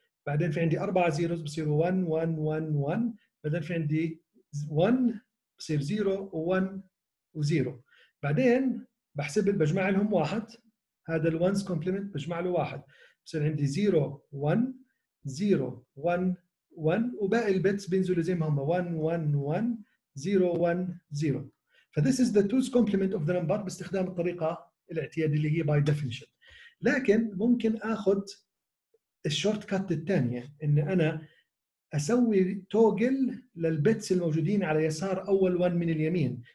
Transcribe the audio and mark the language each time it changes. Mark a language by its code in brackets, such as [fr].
[ar] بعدين في عندي 4 زيروز بصير 1 1 1 1. بعدين في عندي 1 بصير 0 و 1 و 0. بعدين بحسب بجمع لهم واحد. هذا الوانس كومبليمنت بجمع له واحد بصير عندي 0 1 0 1 1 وباقي البيتس بينزل زي ما هم 1 1 1 0 1 0. [en] فthis is the two's complement of the number [ar] باستخدام الطريقة الاعتيادية اللي هي [en] by definition. [ar] لكن ممكن أخذ الشورت كات الثانية إن أنا أسوي توجل للبيتس الموجودين على يسار أول one من اليمين.